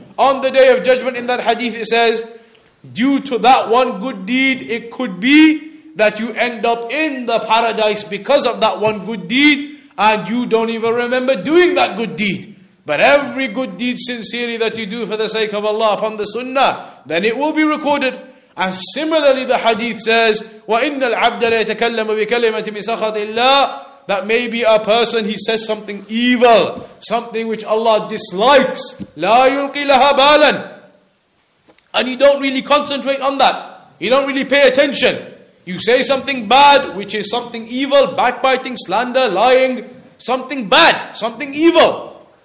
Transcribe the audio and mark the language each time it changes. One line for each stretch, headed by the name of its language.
English: On the day of judgment, in that hadith it says, due to that one good deed, it could be that you end up in the paradise because of that one good deed, and you don't even remember doing that good deed. But every good deed sincerely that you do for the sake of Allah upon the sunnah, then it will be recorded. And similarly the hadith says,
Arabic: وَإِنَّ الْعَبْدَ لَيَتَكَلَّمُ بِكَلِمَةِ مِسَخَطِ اللَّهِ.
English: That maybe a person, he says something evil, something which Allah dislikes.
Arabic: لَا يُلْقِي لَهَا بَالًا.
English: And you don't really concentrate on that. You don't really pay attention. You say something bad, which is something evil, backbiting, slander, lying, something bad, something evil.